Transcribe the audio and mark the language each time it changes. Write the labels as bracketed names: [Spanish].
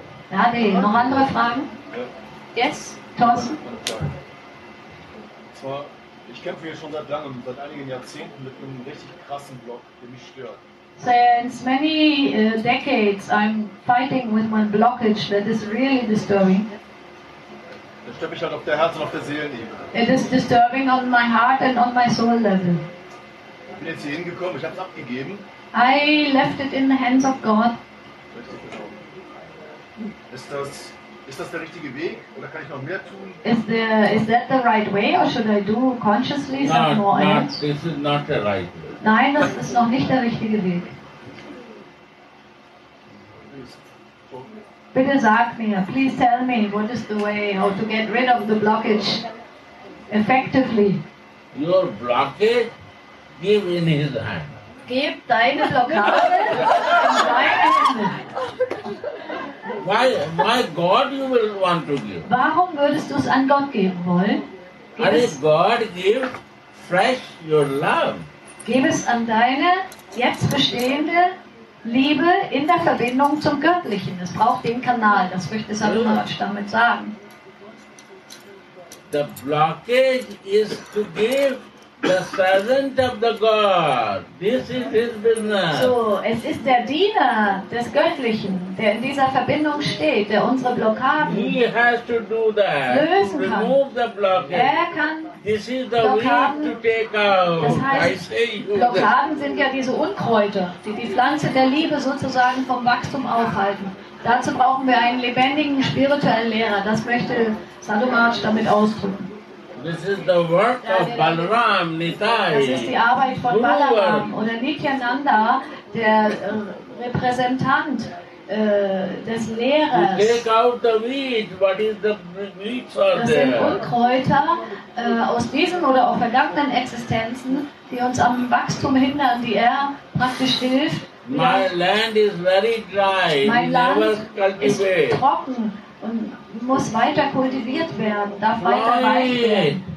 [German] Radhe, noch andere Fragen? [English] Yes, Thorsten? [German] Ich kämpfe hier schon seit langem, seit einigen Jahrzehnten mit einem richtig krassen Block, der mich stört. [English] Since many decades, I'm fighting with my blockage that is really disturbing. [German] Das stört mich halt auf der Herz und auf der Seelenebene. [English] It is disturbing on my heart and on my soul level. [German] Ich bin jetzt hier hingekommen, ich habe es abgegeben. [English] I left it in the hands of God. [German] Ist das der richtige Weg oder kann ich noch mehr tun? [English] Is that the right way or should I do consciously some more? No, this is not the right way. [German] Nein, das ist noch nicht der richtige Weg. Bitte sag mir, [English] please tell me, what is the way how to get rid of the blockage effectively? Your blockage, give in his hand. [German] Gib deine Blockade in deine Hände. [English] Why God you will want to give? [German] Warum würdest du es an Gott geben wollen? [English] And if God give fresh your love. [German] Gib es an deine jetzt bestehende Liebe in der Verbindung zum Göttlichen. Es braucht den Kanal, das möchte Sarunaraj damit sagen. [English] The blockage is to give the servant of the God. This is his business. [German] So, es ist der Diener des Göttlichen, der in dieser Verbindung steht, der unsere Blockaden [English] he has to do that, [German] lösen kann. [English] Remove the blockage. [German] Er kann [English] this is the Blockaden, to take out. [German] Das heißt, Blockaden sind ja diese Unkräuter, die die Pflanze der Liebe sozusagen vom Wachstum aufhalten. Dazu brauchen wir einen lebendigen spirituellen Lehrer. Das möchte Sarunaraj damit ausdrücken. [English] This is the work of Balaram Nithai. [German] Das ist die Arbeit von Balaram oder Nityananda, der Repräsentant des Lehrers. [English] To take out the weeds, what is the weeds are [German] das [English] there? [German] Das sind Unkräuter aus diesen oder auch vergangenen Existenzen, die uns am Wachstum hindern, die er praktisch hilft. [English] My land is very dry. [German] Mein Land ist trocken und muss weiter kultiviert werden, darf weiter reingehen.